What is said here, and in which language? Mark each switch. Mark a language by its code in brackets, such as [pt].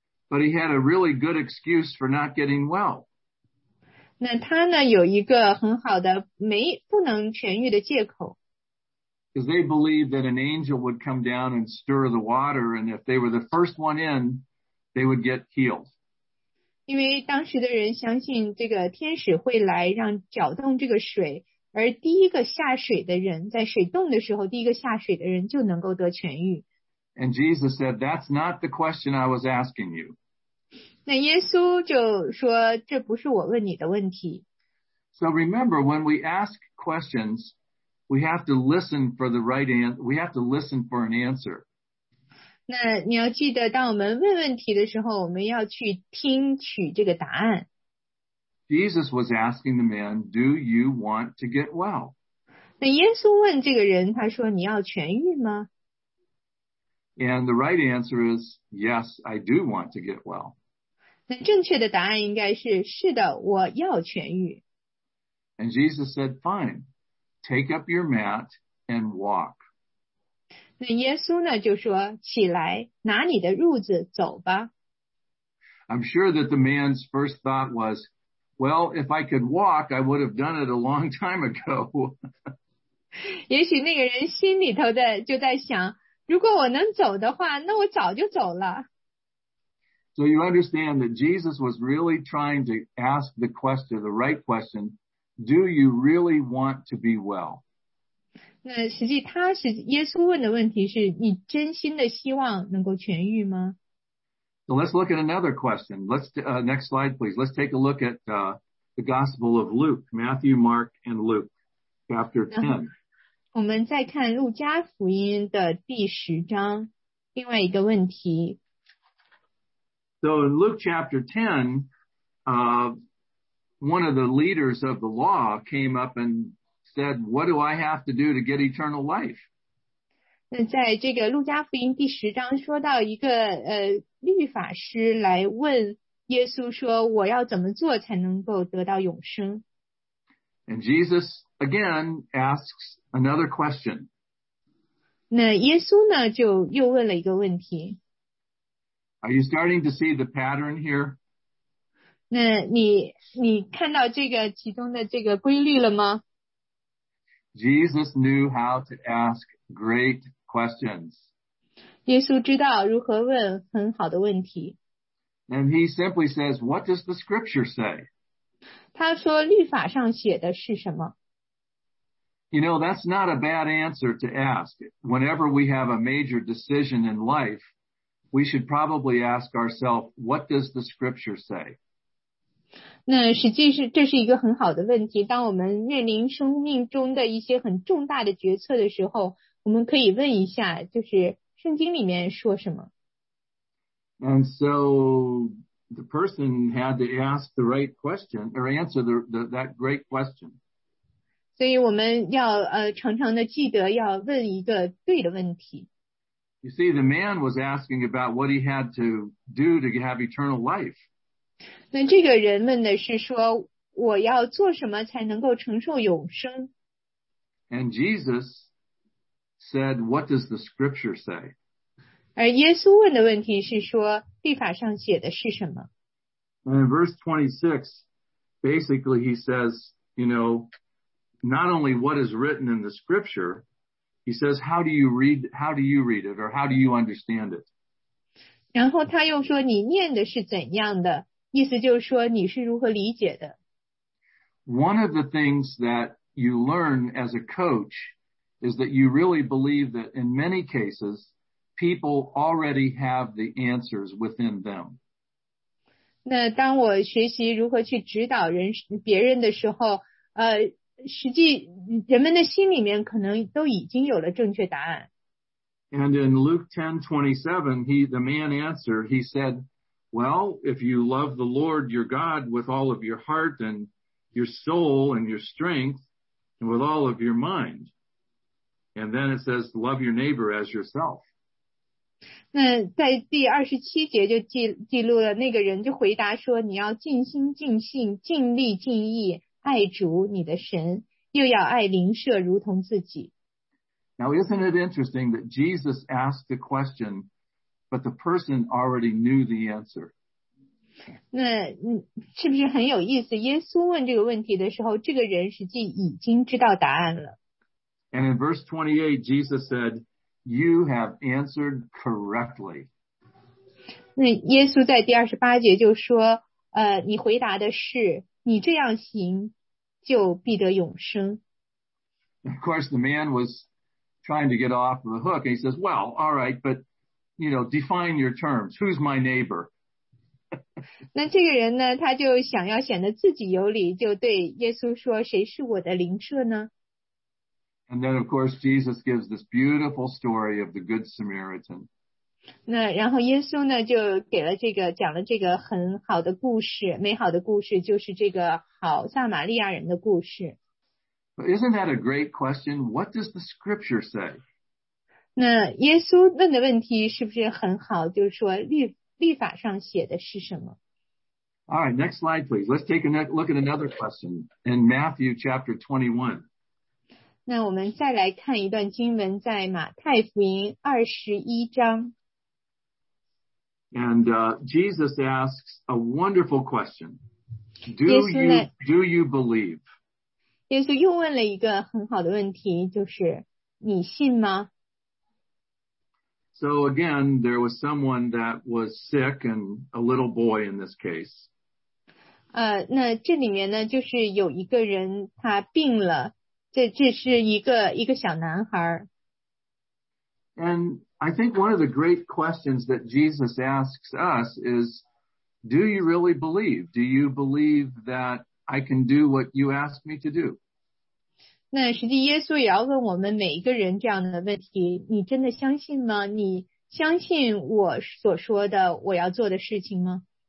[en] But he had a really good excuse for not getting well. [zh] 那他呢有一个很好的不能痊愈的借口。 [en] Because they believed that an angel would come down and stir the water and if they were the first one in, they would get healed. [zh] 因为当时的人相信这个天使会来让搅动这个水而第一个下水的人在水洞的时候第一个下水的人就能够得痊愈。 [en] And Jesus said, that's not the question I was asking you. [zh] 那耶稣就说这不是我问你的问题。 [en] So remember, when we ask questions, we have to listen for the right answer, we have to listen for an answer. [zh] 那你要记得当我们问问题的时候我们要去听取这个答案。 [en] Jesus was asking the man, do you want to get well? [zh] 那耶稣问这个人他说你要痊愈吗? [en] And the right answer is, yes, I do want to get well. [zh] 那正确的答案应该是是的我要痊愈。 [en] And Jesus said, fine, take up your mat and walk. [zh] 那耶稣呢就说起来拿你的褥子走吧。 [en] I'm sure that the man's first thought was, well, if I could walk, I would have done it a long time ago. [zh] 也许那个人心里头的就在想如果我能走的话那我早就走了。 [en] So you understand that Jesus was really trying to ask the question, the right question, do you really want to be well? [zh] 那实际他是耶稣问的问题是你真心的希望能够痊愈吗 [en] So let's look at another question. Next slide, please. Let's take a look at the Gospel of Luke, Matthew, Mark, and Luke, chapter 10. [zh] 我们再看路加福音的第十章另外一个问题。 [en] So in Luke chapter 10, one of the leaders of the law came up and said, what do I have to do to get eternal life? [zh] 那在这个路加福音第十章说到一个律法师来问耶稣说我要怎么做才能够得到永生。 [en] And Jesus again asks another question. [zh] 那耶稣呢就又问了一个问题。 [en] Are you starting to see the pattern here? [zh] 那你看到这个其中的这个规律了吗？ [en] Jesus knew how to ask great questions. [zh] 耶稣知道如何问很好的问题。 [en] And he simply says, what does the scripture say? [zh] 他说律法上写的是什么？ [en] You know, that's not a bad answer to ask. Whenever we have a major decision in life, we should probably ask ourselves, what does the scripture say? [zh] 那实际是这是一个很好的问题。当我们面临生命中的一些很重大的决策的时候，我们可以问一下，就是圣经里面说什么。 [en] And so the person had to ask the right question or answer that great question. [zh] 所以我们要常常的记得要问一个对的问题。 [en] You see, the man was asking about what he had to do to have eternal life. [zh] 那这个人问的是说我要做什么才能够承受永生。 [en] And Jesus said, what does the scripture say? [zh] 而耶稣问的问题是说律法上写的是什么。 [en] And in verse 26, basically he says, you know, not only what is written in the scripture, he says, how do you read it or how do you understand it? [zh] 然后他又说你念的是怎样的。意思就是说你是如何理解的。 [en] One of the things that you learn as a coach is that you really believe that in many cases, people already have the answers within them. [zh] 那当我学习如何去指导别人的时候，实际人们的心里面可能都已经有了正确答案。 [en] And in Luke 10:27, the man answered, he said, well, if you love the Lord your God with all of your heart and your soul and your strength and with all of your mind. And then it says, love your neighbor as yourself. [zh] 那在第27节就记录了那个人就回答说你要尽心尽性尽力尽意爱主你的神又要爱邻舍如同自己。 [en] Now isn't it interesting that Jesus asked the question, but the person already knew the answer. [zh] 那是不是很有意思？耶稣问这个问题的时候，这个人实际已经知道答案了。 [en] And in verse 28, Jesus said, you have answered correctly. [zh] 那耶稣在第28节就说，你回答的是，你这样行，就必得永生。 [en] Of course, the man was trying to get off the hook. He says, well, all right, but you know, define your terms. Who's my neighbor? [zh] 那这个人呢，他就想要显得自己有理，就对耶稣说，谁是我的邻舍呢？ [en] And then, of course, Jesus gives this beautiful story of the Good Samaritan. [zh] 那然后耶稣呢，就给了这个，讲了这个很好的故事，美好的故事，就是这个好撒玛利亚人的故事。 [en] But isn't that a great question? What does the scripture say? [zh] 那耶稣问的问题是不是很好？就是说律法上写的是什么 [en] ？All right, next slide, please. Let's take a look at another question in Matthew chapter 21. [zh] 那我们再来看一段经文，在马太福音21章。 [en] And Jesus asks a wonderful question. Do you believe? [zh] 耶稣又问了一个很好的问题，就是你信吗？ [en] So again, there was someone that was sick and a little boy in this case. [zh] 那这里面呢，就是有一个人他病了，这是一个小男孩。 [en] And I think one of the great questions that Jesus asks us is, do you really believe? Do you believe that I can do what you ask me to do? [zh] 那实际耶稣也要问我们每一个人这样的问题，你真的相信吗？你相信我所说的我要做的事情吗？